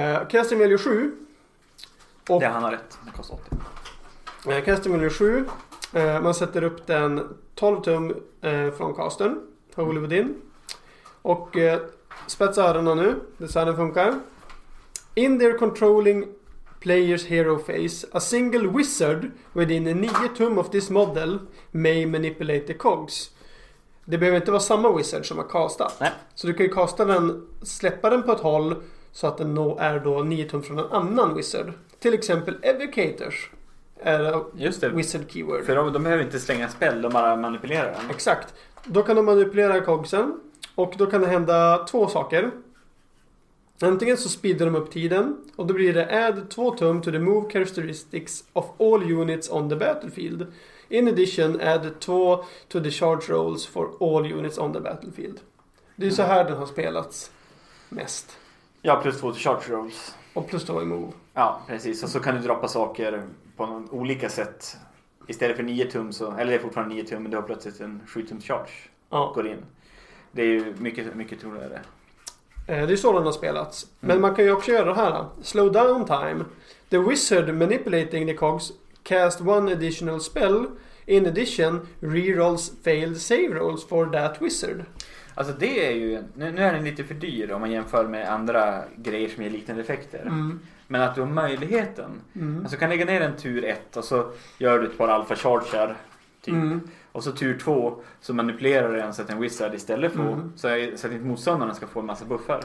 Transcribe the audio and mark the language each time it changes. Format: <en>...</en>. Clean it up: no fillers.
<en>Casting value 7.</en> <sv>Och det han har rätt, det kostar 80.</sv> <en>Casting value 7.</en> <sv>Man sätter upp den 12 tum från kasten på Hollywood Inn. Och spetsa öronen nu, det så här den funkar.</sv> <en>In their controlling player's hero phase, a single wizard within 9 tum of this model may manipulate the cogs.</en> <sv>Det behöver inte vara samma wizard som har kastat. Nej. Så du kan ju kasta den, släppa den på ett håll så att den är då 9 tum från en annan wizard. Till exempel Evocators är just det, wizard keyword. För de behöver inte slänga spel, de bara manipulerar den. Exakt. Då kan de manipulera cogsen och då kan det hända två saker. Antingen så speedar de upp tiden och då blir det</sv> <en>add 2 tum to the move characteristics of all units on the battlefield. In addition, add 2 to the charge rolls for all units on the battlefield.</en> <sv>Det är så här den har spelats mest.</sv> <en>Ja, plus 2 to charge rolls.</en> <sv>Och plus 2 i move. Ja, precis. Och så kan du droppa saker på någon olika sätt. Istället för 9 tum, så, eller det är fortfarande 9 tum, men du har plötsligt en 7 tum charge går in. Det är ju mycket, mycket troligare. Det är så den har spelats. Men man kan ju också göra det här.</sv> <en>Slow down time. The wizard manipulating the cogs cast one additional spell. In addition, rerolls failed save rolls for that wizard.</en> <sv>Alltså det är ju... Nu är den lite för dyr om man jämför med andra grejer som ger liknande effekter. Mm. Men att du har möjligheten. Mm. Alltså kan lägga ner en tur 1 och så gör du ett par alfa charger typ. Mm. Och så tur 2 så manipulerar du en så att en wizard istället får så att inte motståndarna ska få en massa buffar.</sv>